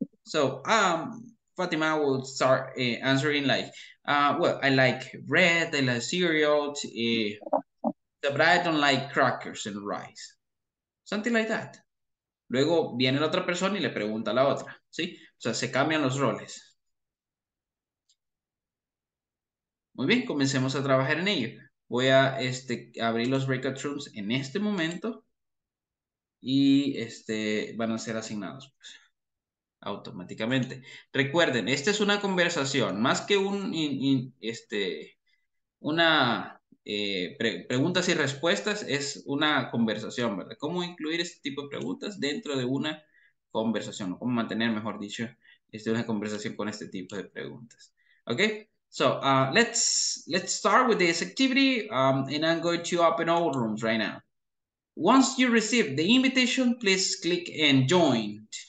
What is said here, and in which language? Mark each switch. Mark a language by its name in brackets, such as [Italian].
[English] So, Fátima will start answering like, well, I like bread, I like cereals, but I don't like crackers and rice. Something like that. [Spanish] Luego viene la otra persona y le pregunta a la otra, ¿sí? O sea, se cambian los roles. Muy bien, comencemos a trabajar en ello. Voy a abrir los breakout rooms en este momento y van a ser asignados, pues, automáticamente. Recuerden, esta es una conversación, más que una preguntas y respuestas, es una conversación, ¿verdad? ¿Cómo incluir este tipo de preguntas dentro de una conversación? ¿O cómo mantener, mejor dicho, una conversación con este tipo de preguntas? ¿Ok? [English] So, let's start with this activity, and I'm going to open all rooms right now. Once you receive the invitation, please click and join.